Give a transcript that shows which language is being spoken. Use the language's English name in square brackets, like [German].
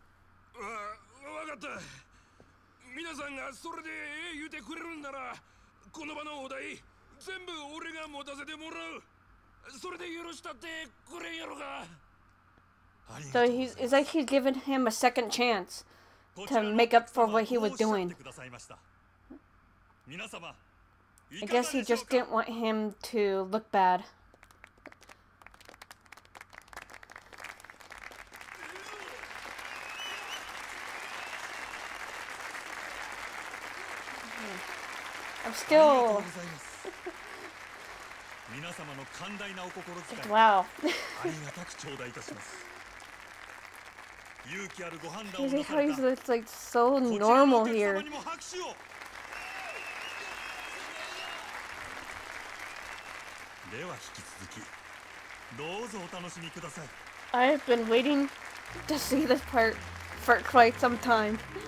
[Japanese] わかった。皆さんがそれで言うてくれるんならこの場のお題全部俺が持たせてもらう。それで許したってくれんやろか。ありがとうございます。 [English] So he's, it's like he's given him a second chance to make up for what he was doing. [Japanese] こちらのお客様はどうおっしゃってくださいました。皆様、いかがでしょうか? [English] I guess he just didn't want him to look bad. I'm still... [Japanese] 皆様の寛大なお心遣い、 [English] wow. [Japanese] ありがたく頂戴いたします。勇気あるご判断をなされた。 [English] It's like so normal here. [Japanese] こちらのお客様にも拍手を。では引き続きどうぞお楽しみください。 [English] I've been waiting to see this part for quite some time.